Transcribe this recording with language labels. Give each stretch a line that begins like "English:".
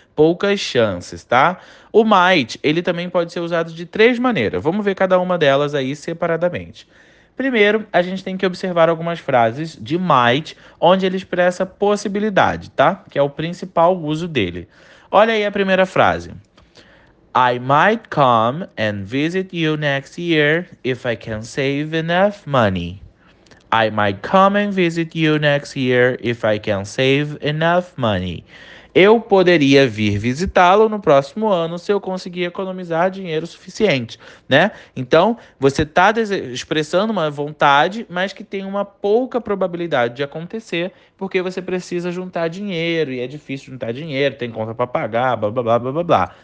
Portuguese: Poucas chances, tá? O might, ele também pode ser usado de três maneiras. Vamos ver cada uma delas aí separadamente. Primeiro, a gente tem que observar algumas frases de might onde ele expressa possibilidade, tá? Que é o principal uso dele. Olha aí a primeira frase.
English: I might come and visit you next year if I can save enough money. I might come and visit you next year if I can save enough money.
Portuguese: Eu poderia vir visitá-lo no próximo ano se eu conseguir economizar dinheiro suficiente, né? Então, você está expressando uma vontade, mas que tem uma pouca probabilidade de acontecer, porque você precisa juntar dinheiro e é difícil juntar dinheiro, tem conta para pagar, blá blá blá blá blá.